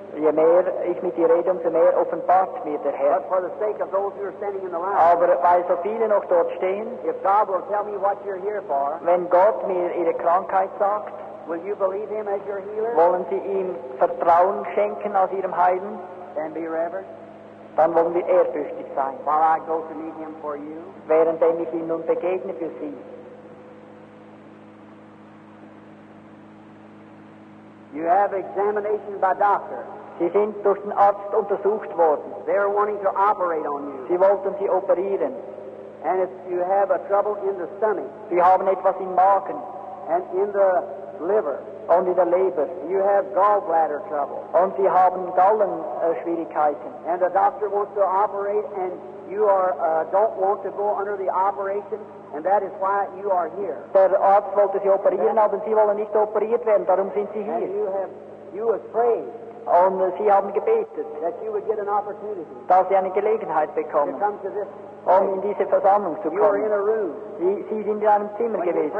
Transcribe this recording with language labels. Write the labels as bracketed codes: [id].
[de] Je mehr ich mit ihr rede, umso mehr offenbart mir der Herr. [en] But for the sake of those who are standing in the line, [de] aber weil so viele noch dort stehen, [en] if God will tell me what you're here for, [de] wenn Gott mir ihre Krankheit sagt, [en] will you believe him as your healer? [de] Wollen Sie ihm Vertrauen schenken als ihrem Heilen? [en] Then be reverent. [de] Dann wollen wir ehrfürchtig sein. [en] While I go to meet him for you, [de] während ich ihm nun begegne für Sie. [en] You have examination by doctor. [de] Sie sind durch den Arzt untersucht worden. [en] They are wanting to operate on you. [de] Sie wollten Sie operieren. [en] And if you have a trouble in the stomach. [de] Sie haben etwas im Magen. [en] And in the liver. [de] Und in der Leber. [en] You have gallbladder trouble. [de] Und Sie haben Gallenschwierigkeiten. [en] And the doctor wants to operate and you are don't want to go under the operation. And that is why you are here. [de] Der Arzt wollte Sie operieren, aber Sie wollen nicht operiert werden. Darum sind Sie hier. [en] And you have prayed. [de] Und Sie haben gebetet, [en] that you would get an opportunity, [de] dass Sie eine Gelegenheit bekommen, [en] to come to this, [de] um in diese Versammlung zu kommen. [en] You are in a room, [de] Sie sind in einem Zimmer gewesen,